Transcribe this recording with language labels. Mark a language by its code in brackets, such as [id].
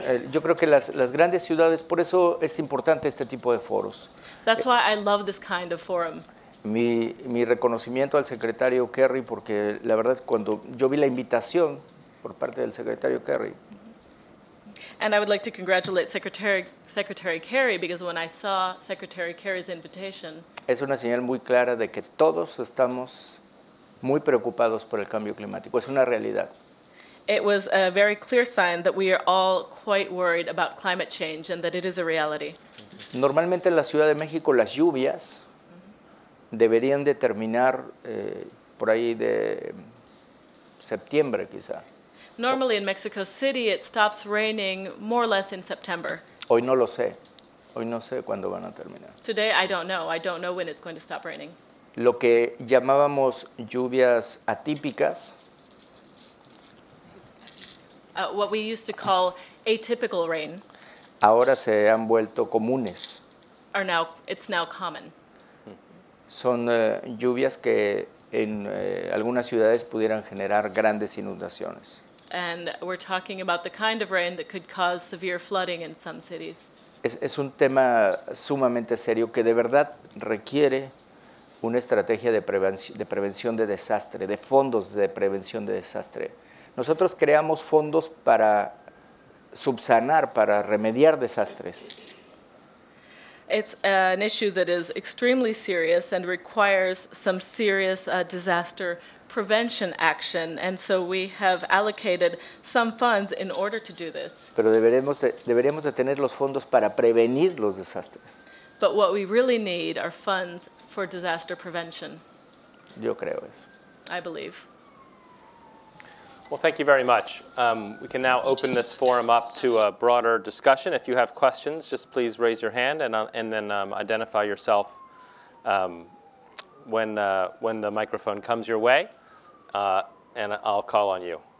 [es] Yo creo que las grandes ciudades, por eso es importante este tipo de foros. [en] That's why I love this kind of forum. [es] Mi reconocimiento al secretario Kerry, porque la verdad es cuando yo vi la invitación por parte del secretario Kerry. [en] And I would like to congratulate Secretary Kerry, because when I saw Secretary Kerry's invitation, [es] es una señal muy clara de que todos estamos muy preocupados por el cambio climático. Es una realidad. [en] It was a very clear sign that we are all quite worried about climate change and that it is a reality. [es] Normalmente en la Ciudad de México las lluvias deberían de terminar por ahí de septiembre, quizá. [en] Normally in Mexico City it stops raining more or less in September. [es] Hoy no lo sé. Hoy no sé cuándo van a terminar. [en] Today I don't know. I don't know when it's going to stop raining. [es] Lo que llamábamos lluvias atípicas. [en] What we used to call atypical rain. [es] Ahora se han vuelto comunes. [en] It's now common. [es] Son lluvias que en algunas ciudades pudieran generar grandes inundaciones. [en] And we're talking about the kind of rain that could cause severe flooding in some cities. [es] Es un tema sumamente serio que de verdad requiere una estrategia de prevención de desastre, de fondos de prevención de desastre. Nosotros creamos fondos para subsanar, para remediar desastres. [en] It's an issue that is extremely serious and requires some serious disaster prevention action, and so we have allocated some funds in order to do this. [es] Pero deberíamos de tener los fondos para prevenir los desastres. [en] But what we really need are funds for disaster prevention. [es] Yo creo eso. [en] I believe. Well, thank you very much. We can now open this forum up to a broader discussion. If you have questions, just please raise your hand and then identify yourself when the microphone comes your way, and I'll call on you.